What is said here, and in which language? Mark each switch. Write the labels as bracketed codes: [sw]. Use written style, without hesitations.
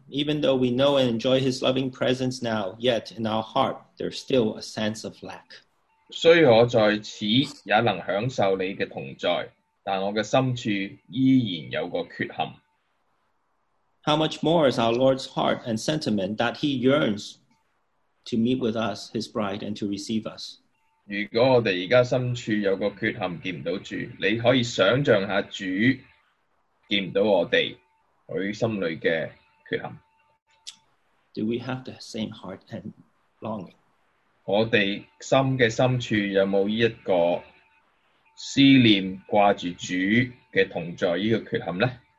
[en] even though we know and enjoy His loving presence now, yet in our heart there's still a sense of lack. [zh] 虽我在此也能享受你的同在，但我的心处依然有个缺陷。 [en] How much more is our Lord's heart and sentiment that He yearns to meet with us, His bride, and to receive us? [zh] 如果我们现在心处有个缺陷，见不到主，你可以想象一下主见不到我们，他心里的缺陷。 [en] Do we have the same heart and longing? [zh] 我们心的深处有没有这个思念挂着主的同在这个缺陷呢?